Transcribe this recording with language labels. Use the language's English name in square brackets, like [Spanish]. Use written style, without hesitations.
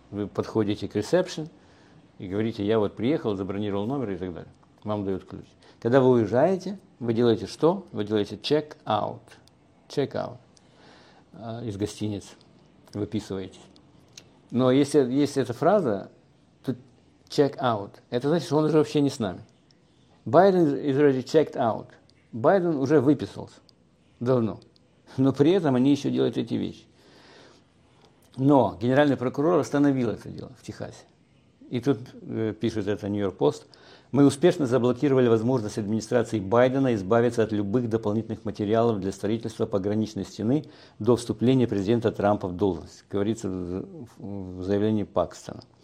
[Russian] Вы подходите к ресепшн и говорите, я вот приехал, забронировал номер и так далее. Вам дают ключ. Когда вы уезжаете, вы делаете что? Вы делаете [English] «check out». «Check out». [Russian] Из гостиницы выписываете. Но если эта фраза, то [English] «check out», [Russian] это значит, что он уже вообще не с нами. [English] Байден is already checked out. [Russian] Байден уже выписался давно. Но при этом они еще делают эти вещи. Но генеральный прокурор остановил это дело в Техасе. И тут пишет это Нью-Йорк Пост. Мы успешно заблокировали возможность администрации Байдена избавиться от любых дополнительных материалов для строительства пограничной стены до вступления президента Трампа в должность, говорится в заявлении Пакстона.